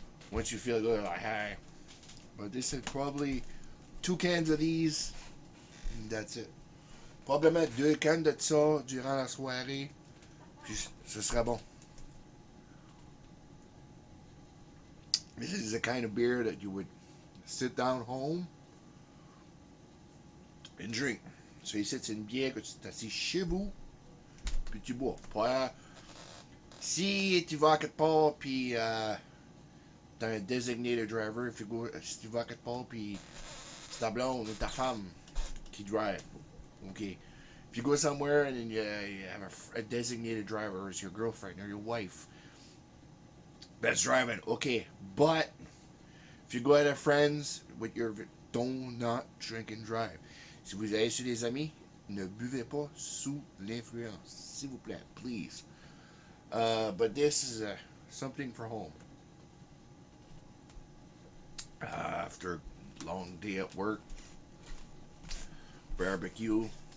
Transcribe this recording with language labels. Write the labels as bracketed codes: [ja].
[en] Once you feel good, like, hey. But this is probably two cans of these, and that's it. [fr] Probablement deux cannes de ça durant la soirée, puis ce sera bon. [en] This is the kind of beer that you would sit down home and drink. [fr] So ici, c'est une bière que tu t'assises chez vous, puis tu bois. Si tu vas à quelque part, puis T'as un designated driver, figure, si tu vas à quelque part, puis c'est ta blonde ou ta femme qui drive. [en] OK. If you go somewhere and then you have a designated driver as your girlfriend or your wife that's driving, okay. But if you go out of friends with your, don't not drink and drive. [fr] Si vous allez chez des amis, ne buvez pas sous l'influence, s'il vous plaît, please. [en] But this is something for home. After a long day at work, barbecue.